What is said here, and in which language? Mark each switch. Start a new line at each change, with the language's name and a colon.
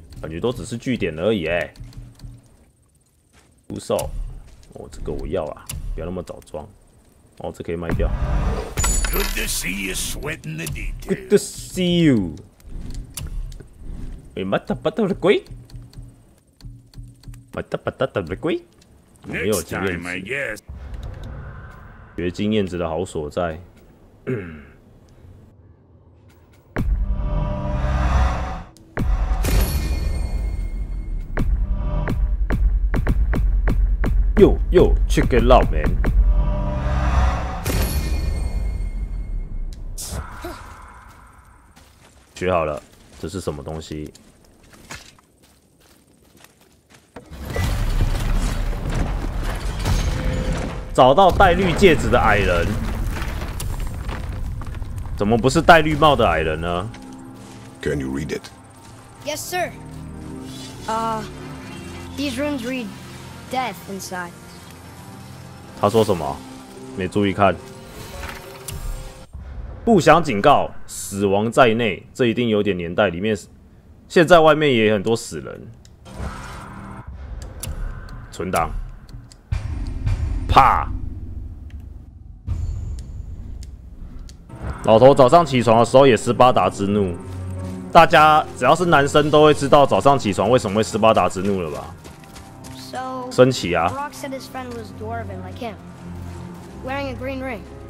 Chinese: 感觉都只是据点而已欸。不售。哦，这个我要啊，不要那么早装。哦，这可以卖掉。
English: Good to see you sweating the details. Good to see you. We met up at the quick. Met up at the quick.
Chinese: 没有经验值。学经验值的好所在。
English: Yo yo， check it out， man。
Chinese: 学好了，这是什么东西？找到戴绿戒指的矮人，怎么不是戴绿帽的矮人呢
English: ？Can you read it? Yes, sir. These runes read death inside.
Chinese: 他说什么？没注意看。不想警告，死亡在内，这一定有点年代。里面现在外面也很多死人。存档。怕。老头早上起床的时候也斯巴达之怒，大家只要是男生都会知道早上起床为什么会斯巴达之怒了吧？
English: So,
Chinese: 升起啊！
English: Brock said his friend was dwarven like him, wearing a green ring.